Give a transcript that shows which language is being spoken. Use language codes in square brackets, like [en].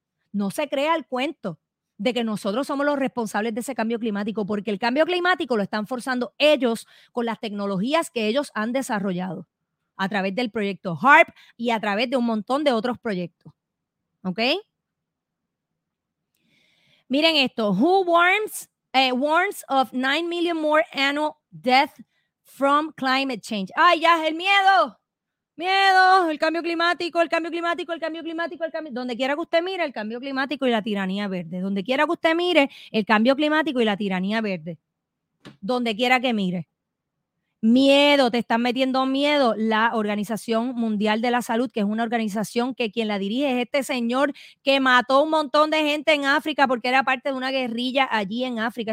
[es] No se crea el cuento de que nosotros somos los responsables de ese cambio climático, porque el cambio climático lo están forzando ellos con las tecnologías que ellos han desarrollado a través del proyecto HARP y a través de un montón de otros proyectos. ¿Ok? Miren esto. [en] Who warns of 9 million more annual death from climate change? [es] ¡Ay, ya es el miedo! ¡Miedo! El cambio climático, el cambio climático, el cambio climático, el cambio... Donde quiera que usted mire, el cambio climático y la tiranía verde. Donde quiera que usted mire, el cambio climático y la tiranía verde. Donde quiera que mire. Miedo, te están metiendo miedo. La Organización Mundial de la Salud, que es una organización que quien la dirige es este señor que mató un montón de gente en África porque era parte de una guerrilla allí en África.